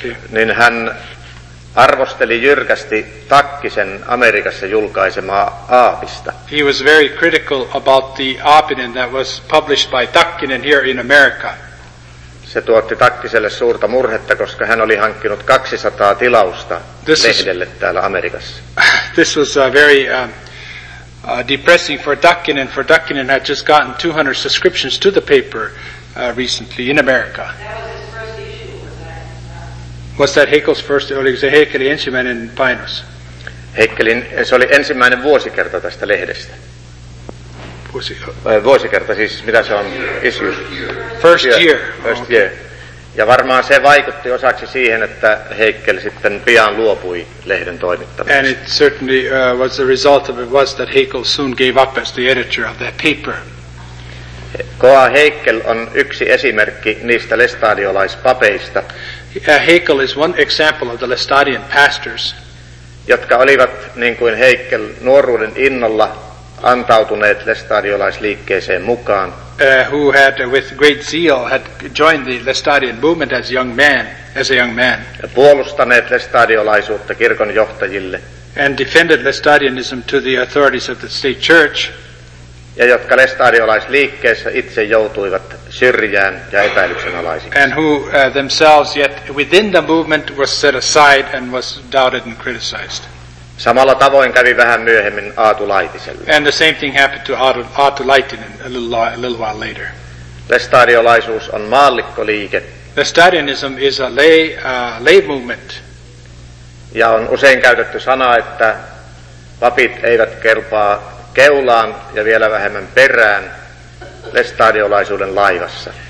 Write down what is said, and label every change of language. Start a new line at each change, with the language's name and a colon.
Finnish: Niin hän arvosteli jyrkästi Takkisen Amerikassa julkaisemaa aapista.
English: He was very critical about the Aapinen that was published by Takkinen here in America.
Finnish: Se tuotti Takkiselle suurta murhetta, koska hän oli hankkinut 200 tilausta lehdelle täällä Amerikassa.
English: This was depressing for Takkinen, for Takkinen had just gotten 200 subscriptions to the paper recently in America. Was that Heikkel's first, or was it
Finnish: Heikkelin ensimmäinen painos? Heikkelin, se oli ensimmäinen vuosikerta tästä lehdestä. Vuosikerta, siis mitä se on? Issue.
English: First year. Okay.
Finnish: Ja varmaan se vaikutti osaksi siihen, että Heikkel sitten pian luopui lehden toimittamisesta.
English: And it certainly was the result of it was that Heikkel soon gave up as the editor of that paper.
Finnish: K.A. Heikkel on yksi esimerkki niistä lestadiolaispapeista.
English: Heikkel is one example of the Lestadian pastors,
Finnish: jotka olivat niin kuin Heikkel nuoruuden innolla antautuneet lestadiolaisliikkeeseen mukaan.
English: Who had with great zeal had joined the Lestadian movement as a young man.
Finnish: Ja puolustaneet lestadiolaisuutta kirkon johtajille.
English: And defended Lestadianism to the authorities of the state church.
Finnish: Ja jotka lestadiolaisliikkeessä itse joutuivat syrjään ja epäilyksen alaisiksi.
English: And who themselves yet within the movement was set aside and was doubted and criticized.
Finnish: Samalla tavoin kävi vähän myöhemmin Aatu Laitiselle.
English: And the same thing happened to Aatu Laitinen a little while later.
Finnish: Lestadiolaisuus on maallikkoliike.
English: Lestadianism is a lay movement.
Finnish: Ja on usein käytetty sanaa, että papit eivät kelpaa keulaan ja vielä vähemmän perään lestadiolaisuuden laivassa.